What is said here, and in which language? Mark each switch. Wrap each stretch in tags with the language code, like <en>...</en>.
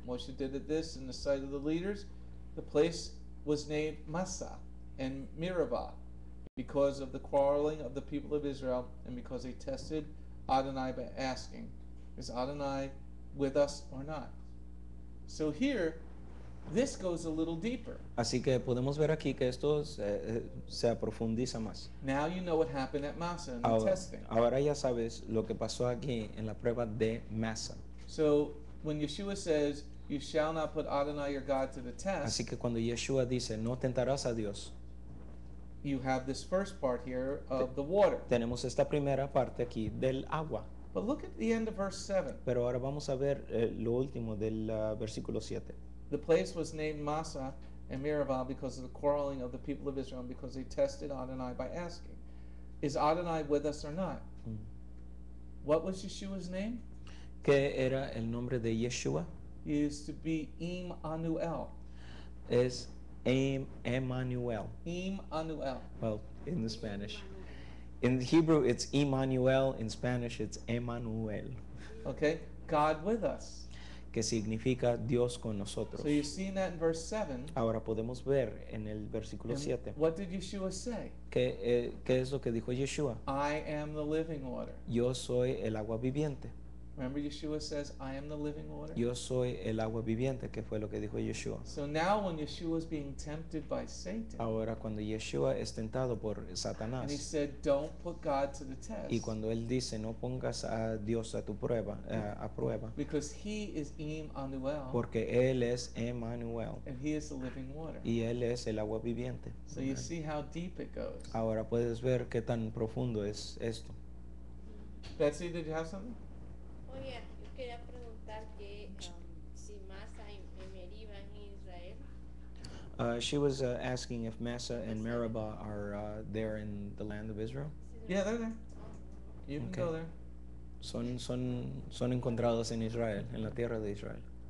<en>Moshe did this in the sight of the leaders. The place was named Massa and Meribah because of the quarreling of the people of Israel and because they tested Adonai by asking, "Is Adonai with us or not?" So here, this goes a little deeper.</en> <es>Así que podemos ver aquí que esto se aprofundiza más.</es> <en>Now you know what happened at Massa in</en> <es>ahora,</es> <en>the testing.</en> <es>Ahora ya sabes lo que pasó aquí en la prueba de Massa.</es> <en>So when Yeshua says, "You shall not put Adonai your God to the test,"</en> <es>así que cuando Yeshua dice, "No tentarás a Dios,"</es> <en>you have this first part here of the water.</en> <es>Tenemos esta primera parte aquí del agua.</es> <en>But look at the end of verse 7.</en> <es>Pero ahora vamos a ver lo último del versículo 7.</es> <en>The place was named Massa and Meribah because of the quarreling of the people of Israel, because they tested Adonai by asking, "Is Adonai with us or not?" Mm-hmm. What was Yeshua's name?</en> <es>¿Qué era el nombre de Yeshua?</es> <en>He used to be Im Anuel.</en> <es>Es Emmanuel.</es> <en>Im Anuel. Well, in the Spanish. In Hebrew, it's Emmanuel. In Spanish, it's Emmanuel. Okay, God with us.</en> <es>Que significa Dios con nosotros.</es> <en>So you've seen that in verse 7.</en> <es>Ahora podemos ver en el versículo 7.</es> <en>What did Yeshua say?</en> <es>¿Qué es lo que dijo Yeshua?</es> <en>I am the living water.</en> <es>Yo soy el agua viviente.</es> <en>Remember Yeshua says, I am the living water?</en> <es>Yo soy el agua viviente, que fue lo que dijo Yeshua.</es> <en>So now when Yeshua is being tempted by Satan,</en> <es>ahora cuando Yeshua es tentado por Satanás,</es> <en>and he said, don't put God to the test,</en> <es>y cuando él dice, no pongas a Dios a tu prueba, a prueba,</es> <en>because he is Emmanuel,</en> <es>porque él es Emmanuel,</es> <en>and he is the living water,</en> <es>y él es el agua viviente.</es> <en>So you see how deep it goes.</en> <es>Ahora puedes ver qué tan profundo es esto.</es> <en>Betsy, did you have something?</en> <es>Oye, yo quería preguntar que si Massa y Meribah en Israel.</es> <en>She was asking if Massa and Meribah are there in the land of Israel. Yeah, they're there. You can okay. Go there.</en> <es>Son encontrados en Israel, en la tierra de Israel.</es>